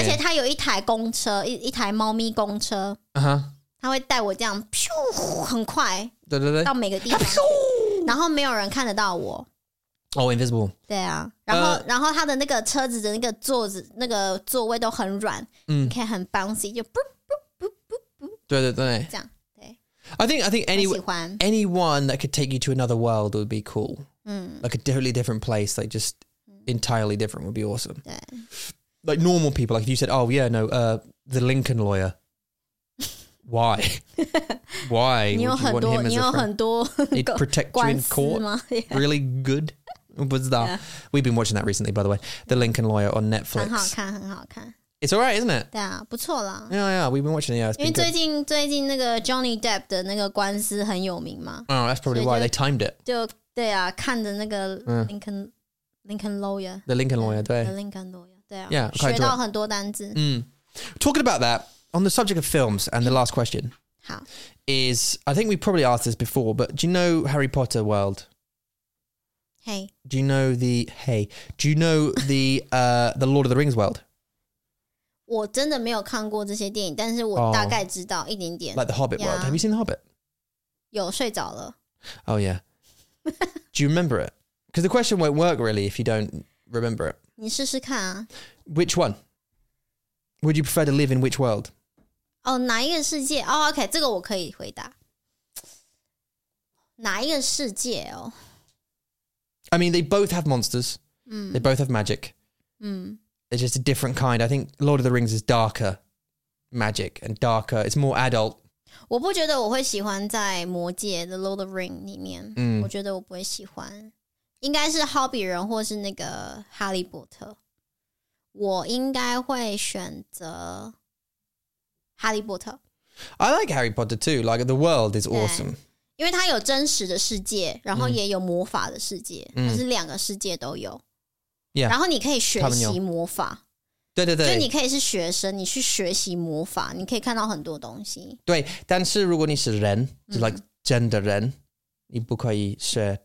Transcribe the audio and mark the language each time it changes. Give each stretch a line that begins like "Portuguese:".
Chinese: 而且他有一台公车 一台猫咪公车、他会带我这样噗很快对对对到每个地方然后没有人看得到我
English: Oh, invisible
Chinese: 对啊然后他的那个车子的那个座子那个座位都很软、可以很 bouncy 就噗噗噗噗噗对对对这样对
English: I think anyone that could take you to another world would be cool、like a totally different place like justentirely different would be awesome like normal people like if you said oh yeah no the Lincoln lawyer why why would you want him as a friend he'd protect you in court really good what's that we've been watching that recently by the way the Lincoln lawyer on Netflix
Chinese: 很好看
English: it's alright isn't it
Chinese: 对啊不错啦
English: yeah yeah we've been watching it yeah it's been good
Chinese: 因为最近那个 Johnny Depp 的那个官司很有名嘛
English: oh that's probably why they timed it
Chinese: 就对啊看着那个 Lincoln Lawyer.
English: The Lincoln Lawyer,
Chinese: 对。
English: The Lincoln Lawyer,
Chinese: 对啊。
English: Yeah,
Chinese: 学到很多单字。
English: Talking about that, on the subject of films, and the last question.
Chinese: 好。
English: Is, I think we probably asked this before, but do you know Harry Potter World? Hey. Do you know the the Lord of the Rings World?
Chinese: 我真的没有看过这些电影,但是我大概知道一点点。
English: Like the Hobbit World. Have you seen the Hobbit?
Chinese: 有,睡着了。
English: Oh yeah. Do you remember it? Because the question won't work, really, if you don't remember it.
Chinese: 你试试看啊。
English: Which one? Would you prefer to live in which world?
Chinese: Oh, 哪一个世界?Oh, okay, 这个我可以回答。哪一个世界哦?
English: I mean, they both have monsters. They both have magic. It's just a different kind. I think Lord of the Rings is darker magic and darker. It's more adult.
Chinese: 我不觉得我会喜欢在魔界 The Lord of the Rings 里面。我觉得我不会喜欢。应该是 Hobbit 人或是那个哈利波特我应该会选择哈利波特
English: I like Harry Potter too Like the world is awesome
Chinese: 因为它有真实的世界然后也有魔法的世界它是两个世界都有
English: yeah,
Chinese: 然后你可以学习魔法对对对所以你可以是学生你去学习魔法你可以看到很多东西对但是如果你是人就 like 真的人你不可以学